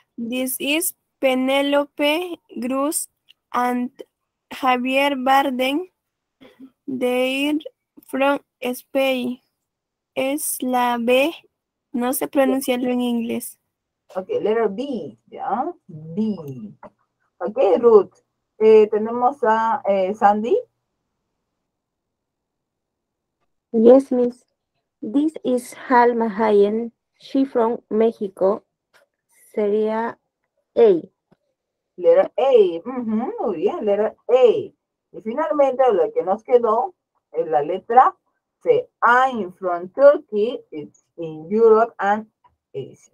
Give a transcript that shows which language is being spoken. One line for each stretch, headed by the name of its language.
English: This is Penelope Cruz and Javier Bardem, they're from Spain.
Spanish: Es la B, no sé pronunciarlo en inglés.
English: Okay, letter B, ¿ya? B. Okay, Ruth.
Spanish: Tenemos a Sandy.
English: Yes, Miss. This is Salma Hayek, she from Mexico.
Spanish: Sería A.
English: Letter A. Uh-huh,
Spanish: muy bien,
English: letter A.
Spanish: Y finalmente, lo que nos quedó es la letra C.
English: I'm from Turkey, it's in Europe and Asia.